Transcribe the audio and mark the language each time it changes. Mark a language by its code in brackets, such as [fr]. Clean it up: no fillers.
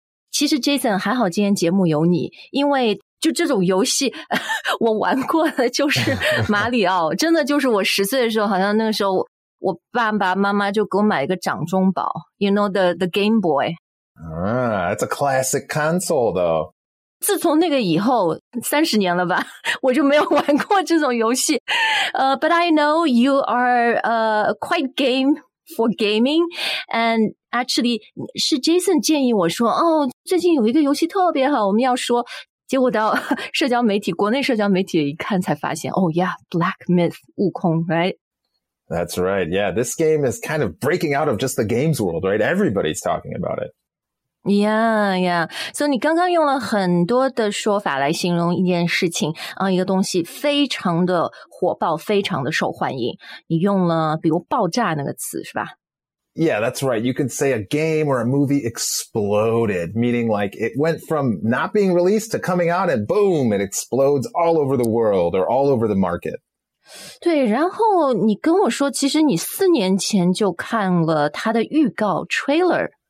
[zh] 其实 Jason 还好今天节目有你，因为就这种游戏我玩过的就是马里奥，真的就是我十岁的时候，好像那个时候我爸爸妈妈就给我买一个掌中宝， [en] You know the Game Boy、 That's a classic console though。 [zh] 自从那个以后30年了吧，我就没有玩过这种游戏。 [en] But I know you are quite game for gaming. And actually, [zh] 是 Jason 建议我说，哦，最近有一个游戏特别好，我们要说。结果到社交媒体，国内社交媒体一看才发现，哦 yeah, Black Myth, 悟空 right? [en] That's right. Yeah, this game is kind of breaking out of just the games world, right? Everybody's talking about it. Yeah. [zh] So, 你刚刚用了很多的说法来形容一件事情，一个东西非常的火爆，非常的受欢迎。你用了比如爆炸那个词，是吧？ [en] Yeah, that's right. You can say a game or a movie exploded, meaning like it went from not being released to coming out and boom, it explodes all over the world or all over the market. [zh] 对，然后你跟我说，其实你4年前就看了它的预告 trailer。